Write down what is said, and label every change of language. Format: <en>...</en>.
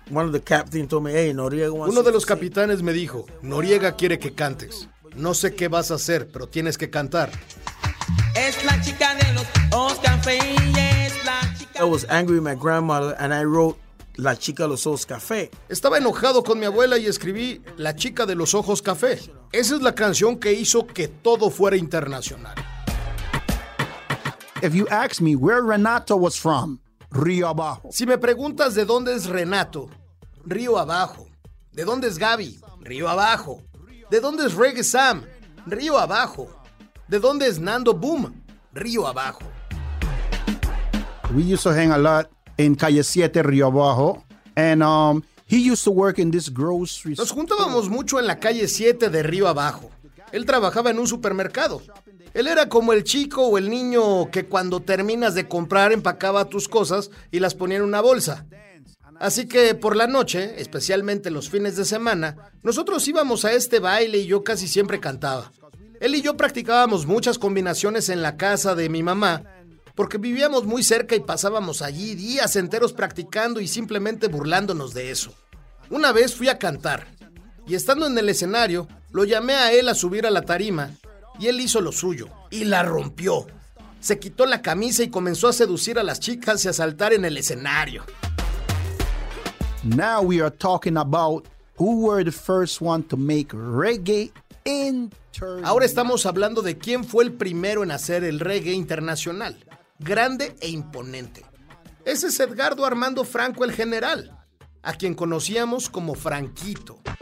<es>uno de los capitanes me dijo: Noriega quiere que cantes. No sé qué vas a hacer, pero tienes que cantar. Es la chica de los ojos café. Es la chica.</es> <en>I was angry with my grandmother and I wrote La chica de los ojos café.</en> <es>Estaba enojado con mi abuela y escribí La chica de los ojos café. Esa es la canción que hizo que todo fuera internacional.</es> <en>If you ask me where Renato was from, Río Abajo.</en> <es>Si me preguntas de dónde es Renato, Río Abajo. ¿De dónde es Gaby? Río Abajo. ¿De dónde es Reggae Sam? Río Abajo. ¿De dónde es Nando Boom? Río Abajo.</es> <en>We used to hang a lot in Calle 7, Río Abajo. And he used to work in this grocery store.</en> <es>Nos juntábamos mucho en la Calle 7 de Río Abajo. Él trabajaba en un supermercado. Él era como el chico o el niño que cuando terminas de comprar empacaba tus cosas y las ponía en una bolsa. Así que por la noche, especialmente los fines de semana, nosotros íbamos a este baile y yo casi siempre cantaba. Él y yo practicábamos muchas combinaciones en la casa de mi mamá porque vivíamos muy cerca y pasábamos allí días enteros practicando y simplemente burlándonos de eso. Una vez fui a cantar y estando en el escenario, lo llamé a él a subir a la tarima. Y él hizo lo suyo, y la rompió. Se quitó la camisa y comenzó a seducir a las chicas y a saltar en el escenario.</es> <en>Now we are talking about who were the first one to make reggae international.</en> <es>Ahora estamos hablando de quién fue el primero en hacer el reggae internacional, grande e imponente. Ese es Edgardo Armando Franco, el general, a quien conocíamos como Franquito.</es>